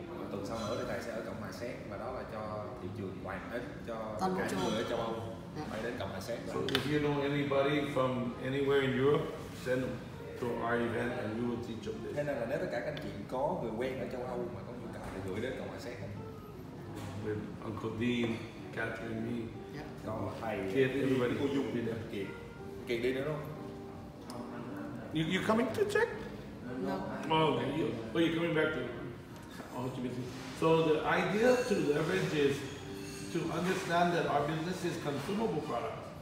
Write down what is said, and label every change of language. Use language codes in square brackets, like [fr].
[vi] Tuần sau nữa thì thầy sẽ ở Cộng hòa Séc, và đó là cho thị trường ngoài hết cho cả những người ở châu Âu. [en] So if you know anybody from anywhere in Europe, send them to our event and we will teach them this. [vi] Thế nên là nếu tất cả các anh chị có người quen ở châu Âu mà có nhu cầu thì gửi đến Cộng hòa Séc. [en] With Uncle Dean, Catherine, me, [vi] còn thầy, [en] Kiệt, everybody. [vi] Cô Dung đi đây. Kiệt, Kiệt đi nữa không? [en] You coming to Czech? No. Oh, okay. You coming back to? Oh, you busy. So the idea to leverage is to understand that our business is consumable product.